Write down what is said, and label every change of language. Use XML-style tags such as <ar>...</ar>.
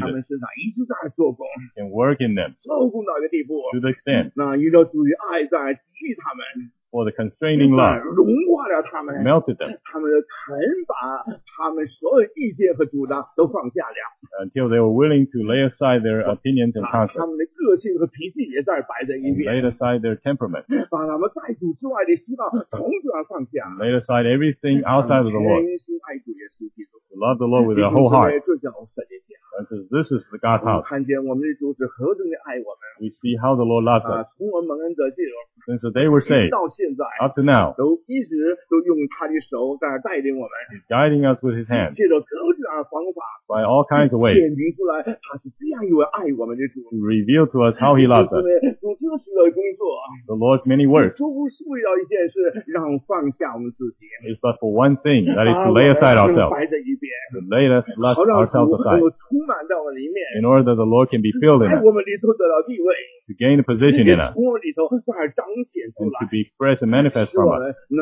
<zh>在他们身上一直在做工。</zh> <en>Can work in them.</en> <zh>做工到一个地步。</zh> <en>To the extent.</en> <zh>那遇到主的爱在激励他们。</zh> <en>For the constraining love.</en> <zh>融化了他们。</zh> <en>Melted them.</en> <zh>他们肯把他们所有意见和主张都放下了。</zh> <en>Until they were willing to lay aside their opinions and concepts.</en> <zh>他们的个性和脾气也在摆在一边。</zh> <en>Laid aside their temperament.</en> <zh>把他们在主之外的希望统统放下。</zh> <en>Laid aside everything outside of the Lord.</en> <zh>全心爱主耶稣基督。</zh> <en>Love the Lord with their whole heart.</en> <zh>这叫神的家。</zh> <en>This is the God's house.</en> <zh>看见我们的主是何等的爱我们。</zh> <en>We see how the Lord loves us.</en> <zh>从我们蒙恩得救。</zh> <en>And so they were saved.</en> <zh>到现在,</zh> <en>up to now.</en> <zh>都一直都用他的手在带领我们,</zh> <en>guiding us with his hand.</en> <zh>借着各种方法,</zh> <en>by all kinds of ways.</en> <zh>显明出来他是这样一位爱我们的主,</zh> <en>to reveal to us how he loves us.</en> <zh>主这时的工作,</zh> <en>the Lord's many works.</en> <zh>主不是为了一件事, 让放下我们自己,</zh> <en>it's but for one thing, that is to lay aside ourselves. To lay us, let ourselves aside. In order that the Lord can be filled in us. To gain a position in us. And to be fresh and manifest from us.</en>